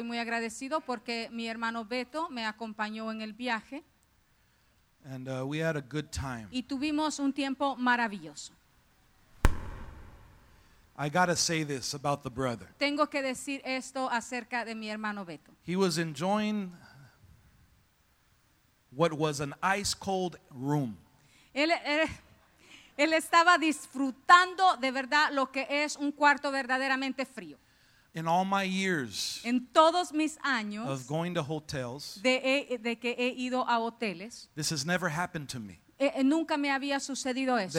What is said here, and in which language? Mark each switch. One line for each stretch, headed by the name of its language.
Spanish: muy agradecido porque mi hermano Beto me acompañó en el viaje.
English: And we had a good time.
Spanish: Y tuvimos un tiempo maravilloso.
English: I gotta say this about the brother.
Spanish: Tengo que decir esto acerca de mi hermano Beto.
English: He was enjoying what was an ice cold room.
Spanish: Él estaba disfrutando de verdad lo que es un cuarto verdaderamente frío.
English: In all my years,
Spanish: en todos mis años,
English: of going to hotels,
Spanish: de que he ido a hoteles,
English: this has never happened to me.
Spanish: Nunca me había sucedido esto.